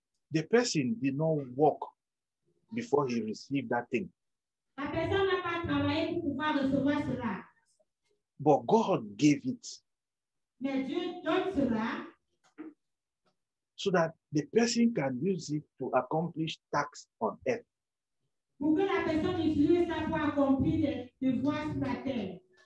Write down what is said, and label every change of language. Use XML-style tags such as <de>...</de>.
<en>The person did not walk before he received that thing.</en> <fr>La personne n'a pas travaillé pour pouvoir recevoir cela.</fr> <en>But God gave it.</en> <fr>Mais Dieu donne cela.</fr> <en>So that the person can use it to accomplish tasks on earth.</en> <fr>Pour que la personne utilise ça pour accomplir des devoirs sur la terre.</fr>